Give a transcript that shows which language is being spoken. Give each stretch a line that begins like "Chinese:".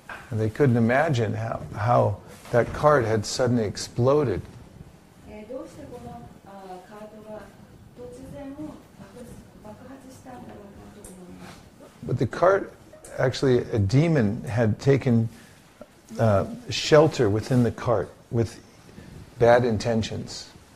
English: And they couldn't imagine how that cart had suddenly exploded.
Japanese: どうしてこのカートが突然爆発したんだろうかと思います。
English: But the cart, actually, a demon had taken shelter within the cart with bad intentions.